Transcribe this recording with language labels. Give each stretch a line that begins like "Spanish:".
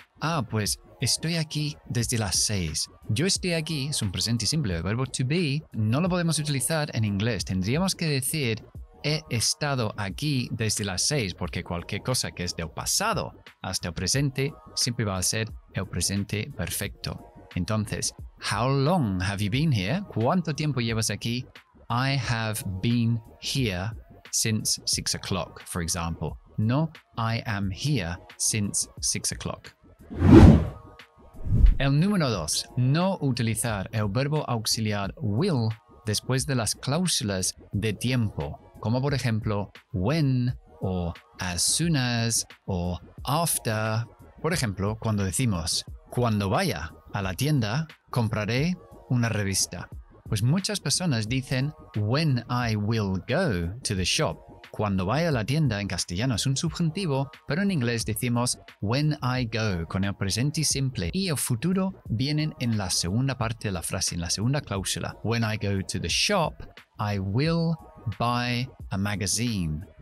Spanish: Ah, pues estoy aquí desde las 6. Yo estoy aquí es un presente simple. El verbo to be no lo podemos utilizar en inglés. Tendríamos que decir he estado aquí desde las 6 porque cualquier cosa que es del pasado hasta el presente siempre va a ser el presente perfecto.
English: Entonces, how long have you been here?
Spanish: ¿Cuánto tiempo llevas aquí?
English: I have been here since 6 o'clock, for example. No, I am here since 6 o'clock.
Spanish: El número 2. No utilizar el verbo auxiliar will después de las cláusulas de tiempo, como por ejemplo when o as soon as o after. Por ejemplo, cuando decimos cuando vaya a la tienda, compraré una revista. Pues muchas personas dicen
English: when I will go to the shop.
Spanish: Cuando vaya a la tienda en castellano es un subjuntivo, pero en inglés decimos
English: when I go
Spanish: con el presente simple y el futuro vienen en la segunda parte de la frase, en la segunda cláusula.
English: When I go to the shop, I will buy a magazine.